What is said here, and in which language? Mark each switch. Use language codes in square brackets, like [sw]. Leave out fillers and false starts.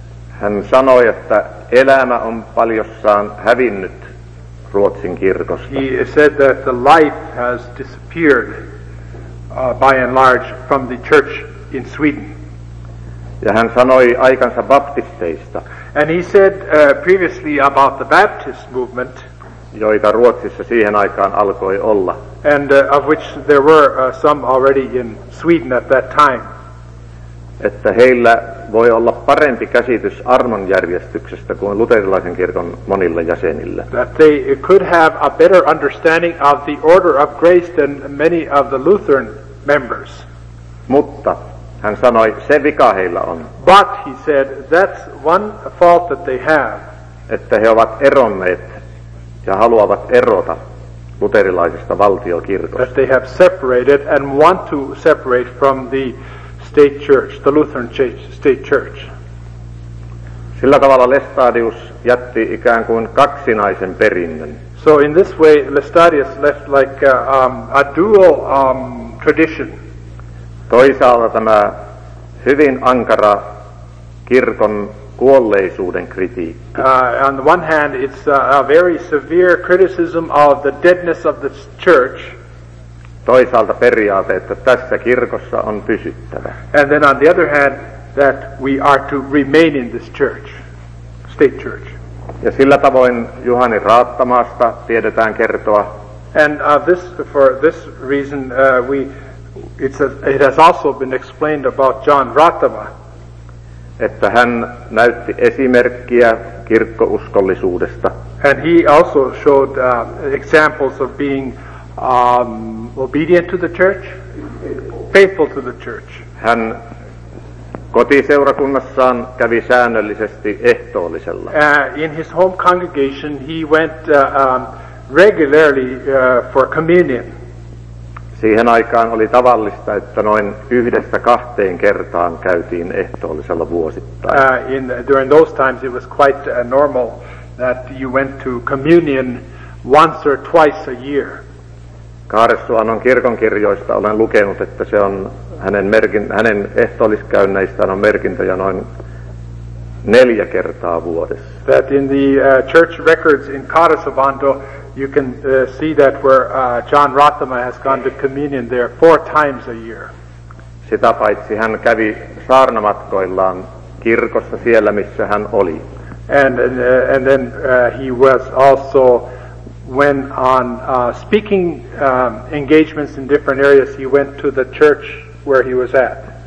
[fi] Hän sanoi, että elämä on paljossaan hävinnyt Ruotsin kirkosta. [en] He said that the life has disappeared by and large from the church in Sweden. [fi] Ja hän sanoi aikansa baptisteista. [en] And he said previously about the Baptist movement, [fi] joita Ruotsissa siihen aikaan alkoi olla. [en] And of which there were some already in Sweden at that time. [fi] Että heillä voi olla parempi käsitys armonjärjestyksestä kuin luterilaisen kirkon monilla jäsenillä. [en] That they could have a better understanding of the order of grace than many of the Lutheran members. [fi] Mutta hän sanoi, se vika heillä on. [en] But he said, that's one fault that they have. [fi] Että he ovat eronneet ja haluavat erota luterilaisesta valtiokirkosta. [en] That they have separated and want to separate from the state church, the Lutheran state church. [fi] Sillä tavalla Lestadius jätti ikään kuin kaksinaisen perinnön. [en] So in this way, Lestadius left like a dual tradition. [fi] Toisaalta tämä hyvin ankara kirkon kuolleisuuden kritiikki. [en] On the one hand, it's a very severe criticism of the deadness of the church. [fi] Toisaalta periaate, että tässä kirkossa on pysyttävä. [en] And then on the other hand, that we are to remain in this church, state church. [fi] Ja sillä tavoin Juhani Raattamaasta tiedetään kertoa. [en] And this, for this reason, it has also been explained about John Raattama. [fi] Että hän näytti esimerkkiä kirkkouskollisuudesta. [en] And he also showed examples of being obedient to the church, faithful to the church. [fi] Hän kotiseurakunnassaan kävi säännöllisesti ehtoollisella. [en] In his home congregation he went regularly for communion. [fi] Siihen aikaan oli tavallista, että noin yhdestä kahteen kertaan käytiin ehtoollisella vuosittain. [en] During those times it was quite normal that you went to communion once or twice a year. [fi] Kaaressuannon kirkonkirjoista olen lukenut, että se on hänen ehtoolliskäynneistään on merkintöjä noin 4 kertaa vuodessa. [en] That in the church records in Kaaressuvanto you can see that where John Raattama has gone to communion there 4 times a year. [fi] Sitä paitsi hän kävi saarnamatkoillaan kirkossa siellä missä hän oli. [en] And then he was also when on speaking engagements in different areas he went to the church where he was at.